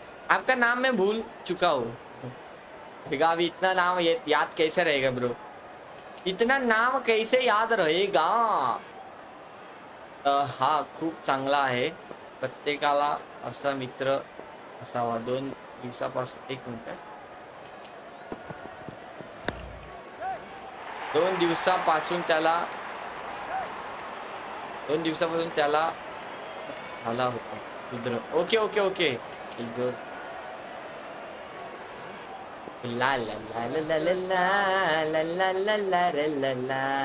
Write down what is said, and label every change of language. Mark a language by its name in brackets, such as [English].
[Hindi] आपका नाम मैं भूल चुका हूँ, बिगा भी इतना नाम याद कैसे रहेगा ब्रो, इतना नाम कैसे याद रहेगा। [Marathi] हाँ खूब चांगला है, प्रत्येकाला असा मित्र असावा, 2 दिवसापासून 1 मिनट, 2 दिवसापासून त्याला, 2 दिवसापासून त्याला आला होता रुद्र। ओके ओके ओके ला ला ला ला ला ला ला ला ला ला ला ला ला ला ला।